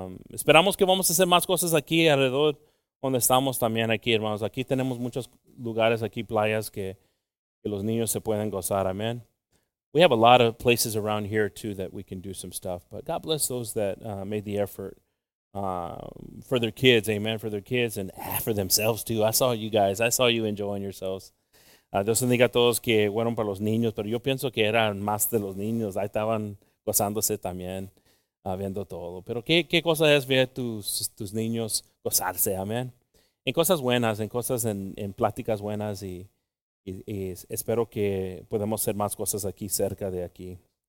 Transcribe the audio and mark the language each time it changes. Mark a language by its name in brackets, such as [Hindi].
[Spanish] Esperamos que vamos a hacer más cosas aquí alrededor donde estamos también aquí, hermanos. Aquí tenemos muchos lugares, aquí playas que los niños se pueden gozar. [English] Amen. We have a lot of places around here, too, that we can do some stuff. But God bless those that made the effort. For their kids, amen, for their kids, and for themselves, too. I saw you guys. I saw you enjoying yourselves. [Spanish] Dios bendiga a todos que fueron para los niños, pero yo pienso que eran más de los niños. Ahí estaban gozándose también, viendo todo. Pero qué cosa es ver tus niños gozarse, amen. En cosas buenas, en cosas, en pláticas buenas, y espero que podamos hacer más cosas aquí, cerca de aquí.